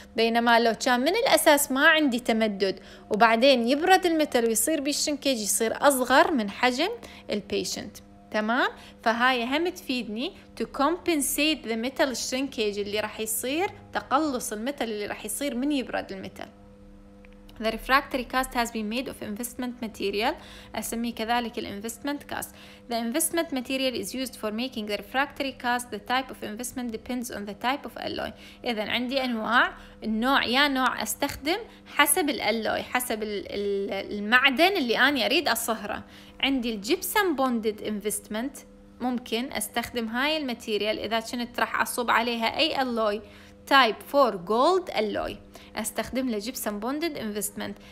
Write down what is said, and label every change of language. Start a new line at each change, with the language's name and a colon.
Arabic: بينما لو كان من الأساس ما عندي تمدد وبعدين يبرد المثل ويصير بيه شرينكيج يصير أصغر من حجم البيشنت. تمام، فهاي هم تفيدني
English: to compensate the metal shrinkage
Arabic: اللي راح يصير، تقلص المثل اللي راح يصير من يبرد المثل.
English: The refractory cast has been made of investment material.
Arabic: أسمي كذلك الـ investment cast.
English: The investment material is used for making the refractory cast. The type of investment depends on the type of alloy.
Arabic: إذن عندي أنواع، النوع يا نوع أستخدم حسب الألوي، حسب المعدن اللي أنا أريد أصهره. عندي الجبسم بوندد investment ممكن أستخدم هاي الماتيريال إذا كنت راح أصب عليها أي ألوي type 4 gold alloy، استخدم له جبسن بوندد انفستمنت.